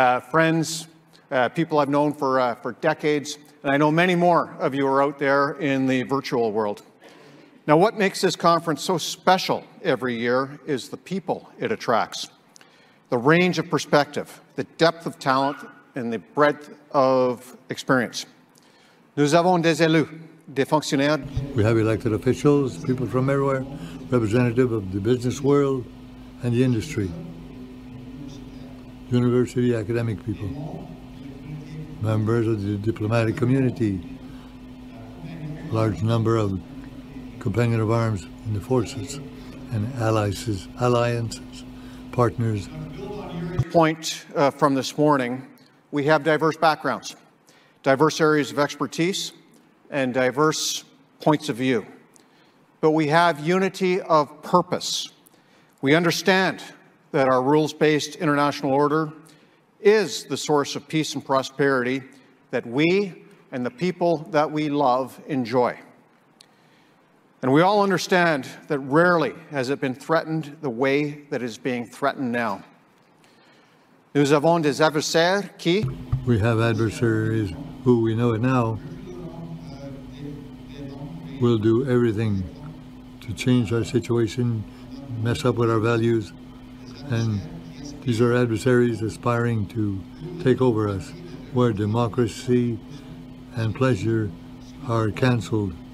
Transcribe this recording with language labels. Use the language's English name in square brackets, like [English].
[English] Friends, people I've known for decades, and I know many more of you are out there in the virtual world. Now, what makes this conference so special every year is the people it attracts. The range of perspective, the depth of talent, and the breadth of experience. [French] Nous avons des élus, des fonctionnaires. [English] We have elected officials, people from everywhere, representative of the business world and the industry, university academic people, members of the diplomatic community, large number of companion of arms in the forces and alliances, partners. Point from this morning, we have diverse backgrounds, diverse areas of expertise, and diverse points of view. But we have unity of purpose. We understand that our rules-based international order is the source of peace and prosperity that we and the people that we love enjoy. And we all understand that rarely has it been threatened the way that is being threatened now. [French] Nous avons des adversaires qui... [English] We have adversaries who, we know it now, will do everything to change our situation, mess up with our values, and these are adversaries aspiring to take over us, where democracy and pleasure are canceled.